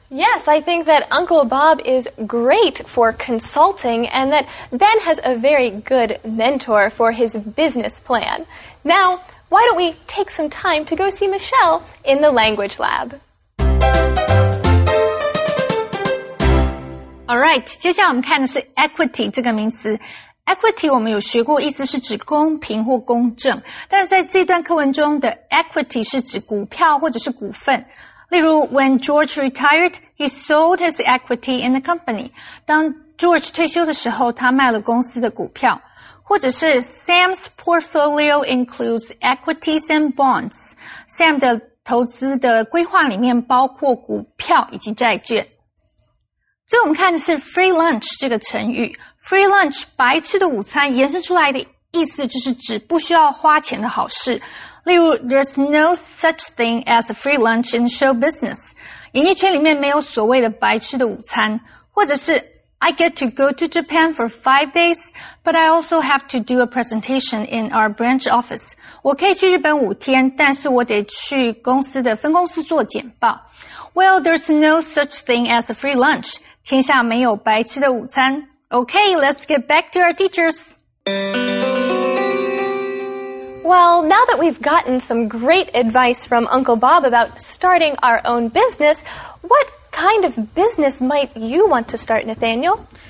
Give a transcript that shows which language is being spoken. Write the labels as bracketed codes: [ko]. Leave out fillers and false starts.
[en] Yes, I think that Uncle Bob is great for consulting and that Ben has a very good mentor for his business plan. Now, why don't we take some time to go see Michelle in the language lab? [zh] Alright, 接下来我们看的是 equity 这个名词。Equity 我们有学过意思是指公平或公正，但是在这段课文中的 equity 是指股票或者是股份。 [en] 例如 ,when George retired, he sold his equity in the company. [zh] 当 George 退休的时候他卖了公司的股票。 [en] 或者是 Sam's portfolio includes equities and bonds. [zh] Sam 的投资的规划里面包括股票以及债券。所以我们看的是 free lunch 这个成语。free lunch 白吃的午餐延伸出来的意思就是指不需要花钱的好事。 [en] 例如 ,there's no such thing as a free lunch in show business. [zh] 演艺圈里面没有所谓的白吃的午餐。 [en] 或者是 ,I get to go to Japan for 5 days, but I also have to do a presentation in our branch office. [zh] 我可以去日本五天但是我得去公司的分公司做简报。 [en] Well, there's no such thing as a free lunch. [zh] 天下没有白吃的午餐。 [en] Okay, let's get back to our teachers. Well, now that we've gotten some great advice from Uncle Bob about starting our own business, what kind of business might you want to start, Nathaniel?